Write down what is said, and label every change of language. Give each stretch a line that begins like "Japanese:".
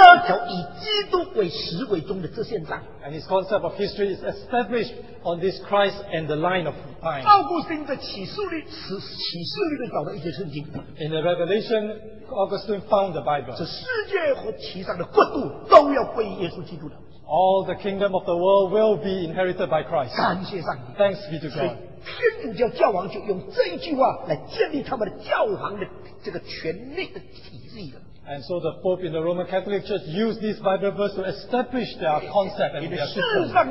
Chinese: 就是建立整个历史观在这条以基督为始为终的直线上。
English: And his concept of history is established on this Christ and the line of time.
Chinese: 奥古斯丁在启示录里找到一些圣经。
English: In the Revelation, Augustine found the Bible.
Chinese: 这世界和其上的国度都要归耶稣基督的。
English: All the kingdom of the world will be inherited by Christ.
Chinese: 感谢上帝。
English: Thanks be to God.
Chinese: 天主教教皇就用这一句话来建立他们的教皇的这个权力的体系了。
English: And so the Pope in the Roman Catholic Church used this Bible verse to establish their concept and their system.